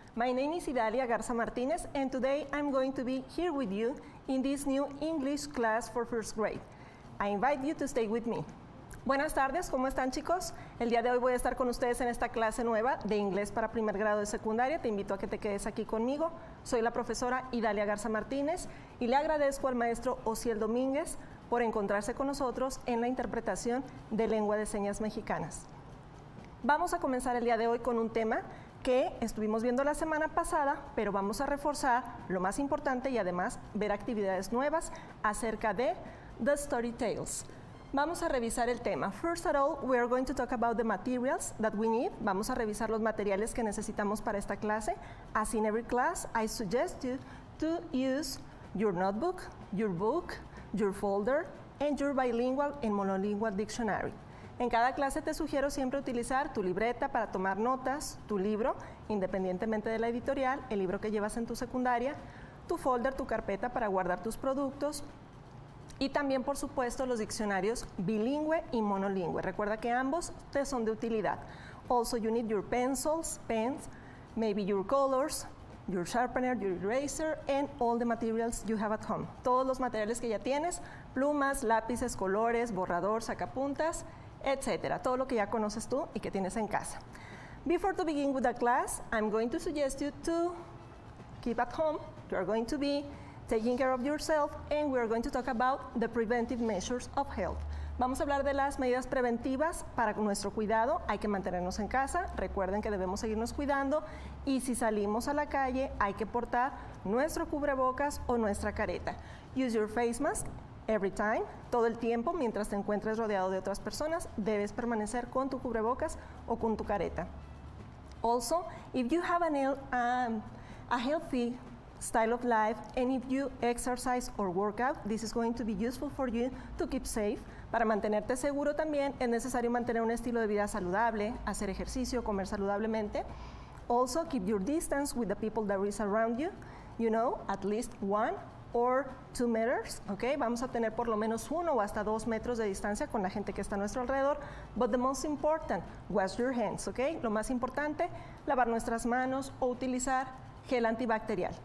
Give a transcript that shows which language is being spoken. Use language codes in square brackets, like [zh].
[en] My name is Idalia Garza Martinez, and today I'm going to be here with you in this new English class for first grade. I invite you to stay with me. [es] Buenas tardes, ¿cómo están, chicos? El día de hoy voy a estar con ustedes en esta clase nueva de inglés para primer grado de secundaria. Te invito a que te quedes aquí conmigo. Soy la profesora Idalia Garza Martínez y le agradezco al maestro Osiel Domínguez por encontrarse con nosotros en la interpretación de lengua de señas mexicanas. Vamos a comenzar el día de hoy con un tema que estuvimos viendo la semana pasada, pero vamos a reforzar lo más importante y además ver actividades nuevas acerca de The Story Tales. Vamos a revisar el tema. [en] First of all, we are going to talk about the materials that we need. [es] Vamos a revisar los materiales que necesitamos para esta clase. [en] As in every class, I suggest you to use your notebook, your book, your folder, and your bilingual and monolingual dictionary. [es] En cada clase te sugiero siempre utilizar tu libreta para tomar notas, tu libro, independientemente de la editorial, el libro que llevas en tu secundaria, tu folder, tu carpeta para guardar tus productos y también, por supuesto, los diccionarios bilingüe y monolingüe. Recuerda que ambos te son de utilidad. [en] Also, you need your pencils, pens, maybe your colors, your sharpener, your eraser, and all the materials you have at home. [es] Todos los materiales que ya tienes, plumas, lápices, colores, borrador, sacapuntas, etcétera, todo lo que ya conoces tú y que tienes en casa. [en] Before to begin with the class, I'm going to suggest you to keep at home. You are going to be taking care of yourself and we are going to talk about the preventive measures of health. [es] Vamos a hablar de las medidas preventivas para nuestro cuidado. Hay que mantenernos en casa. Recuerden que debemos seguirnos cuidando y si salimos a la calle, hay que portar nuestro cubrebocas o nuestra careta. [en] Use your face mask. Every time, [es] todo el tiempo, mientras te encuentres rodeado de otras personas, debes permanecer con tu cubrebocas o con tu careta. [en] Also, if you have a healthy style of life, and if you exercise or work out, this is going to be useful for you to keep safe. [es] Para mantenerte seguro también, es necesario mantener un estilo de vida saludable, hacer ejercicio, comer saludablemente. [en] Also, keep your distance with the people that is around you, you know, at least one or 2 meters, ok, [es] vamos a tener por lo menos 1 o hasta 2 metros de distancia con la gente que está a nuestro alrededor, [en] but the most important, wash your hands, ok, [es] lo más importante, lavar nuestras manos o utilizar gel antibacterial.